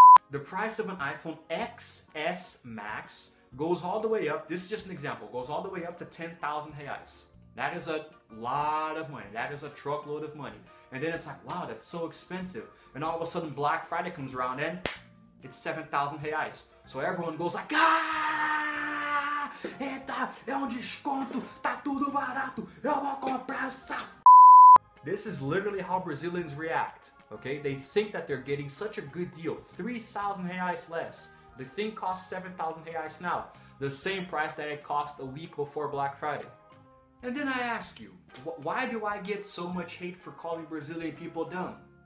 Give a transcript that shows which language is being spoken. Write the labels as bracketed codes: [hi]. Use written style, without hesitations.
[en] The price of an iPhone XS Max goes all the way up. This is just an example. Goes all the way up to 10,000 reais. That is a lot of money. That is a truckload of money. And then it's like, wow, that's so expensive. And all of a sudden, Black Friday comes around and it's 7,000 reais. So everyone goes like, [pt] ah, eita, é um desconto, tá tudo barato, eu vou comprar essa. [en] This is literally how Brazilians react. Okay, they think that they're getting such a good deal, 3,000 reais less. The thing costs 7,000 reais now, the same price that it cost a week before Black Friday. And then I ask you, why do I get so much hate for calling Brazilian people dumb?